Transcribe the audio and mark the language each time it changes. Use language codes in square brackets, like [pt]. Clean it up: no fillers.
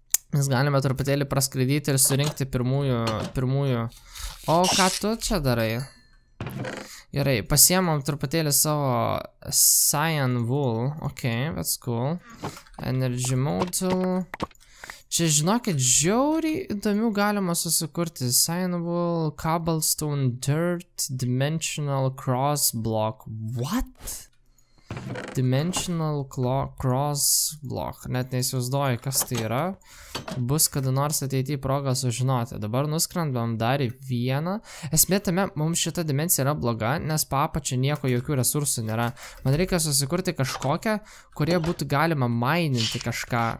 [lt] Mes galime truputėlį praskraidyti ir surinkti pirmųjų. O ką tu čia darai? Gerai, pasiemam truputėlį savo cyan wool. [en] Ok, that's cool. Energy module. [lt] Čia žinokit, žiauriai įdomių galima susikurti. [en] Cyan wool, cobblestone dirt, dimensional cross block. What? Dimensional cross block. [lt] Net neįsivaizduoju, kas tai yra. Bus kada nors ateityje progą sužinoti. Dabar nuskrendam dar į vieną. Esmė tame, mums šita dimensija yra bloga, nes po apačia nieko, jokių resursų nėra. Man reikia susikurti kažkokią, kurie būtų galima maininti kažką.